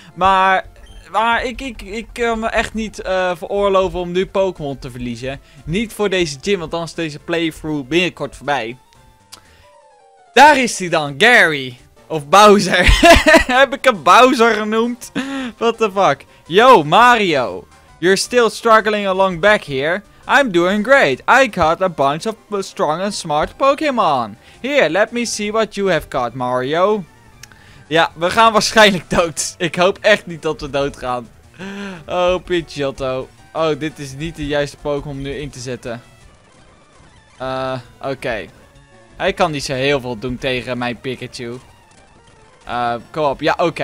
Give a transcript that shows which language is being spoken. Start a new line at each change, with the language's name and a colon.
Dutch: Maar ik kan me echt niet veroorloven om nu Pokémon te verliezen. Niet voor deze gym, want dan is deze playthrough binnenkort voorbij. Daar is hij dan, Gary. Of Bowser. Heb ik hem Bowser genoemd?
English: What the fuck? Yo, Mario. You're still struggling along back here. I'm doing great. I caught a bunch of strong and smart Pokémon. Here, let me see what you have caught, Mario.
Dutch: Ja, we gaan waarschijnlijk dood. Ik hoop echt niet dat we dood gaan. Oh, Pidgeotto. Oh, dit is niet de juiste Pokémon om nu in te zetten. Oké. Hij kan niet zo heel veel doen tegen mijn Pikachu. Kom op. Ja, oké.